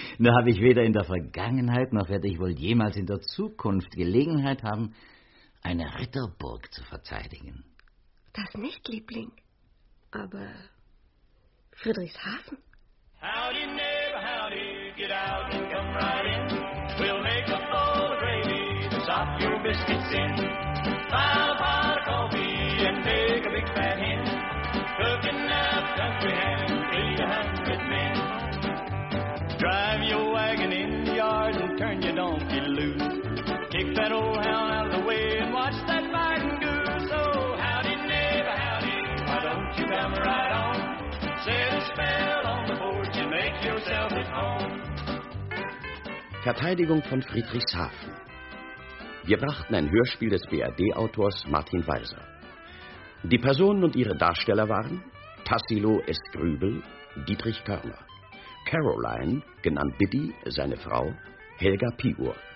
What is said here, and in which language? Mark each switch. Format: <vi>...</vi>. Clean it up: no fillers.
<de>Nur habe ich weder in der Vergangenheit noch werde ich wohl jemals in der Zukunft Gelegenheit haben, eine Ritterburg zu verteidigen. Das nicht, Liebling. Aber Friedrichshafen?</de> <en>Howdy, neighbor, howdy, get out and come right in. We'll make a bowl of gravy to stop your biscuits in. Buy a pot of coffee and make a big fat hen. Cooking up country ham. Drive your wagon in the yard and turn your donkey loose. Kick that old hound out of the way and watch that fighting goose. Oh, howdy, neighbor, howdy, why don't you come right on? Set a spell on the porch and make yourself at home.</en> <de>Verteidigung von Friedrichshafen. Wir brachten ein Hörspiel des BRD-Autors Martin Weiser. Die Personen und ihre Darsteller waren Tassilo S. Grübel, Dietrich Körner. Caroline, genannt Biddy, seine Frau, Helga Piur.</de>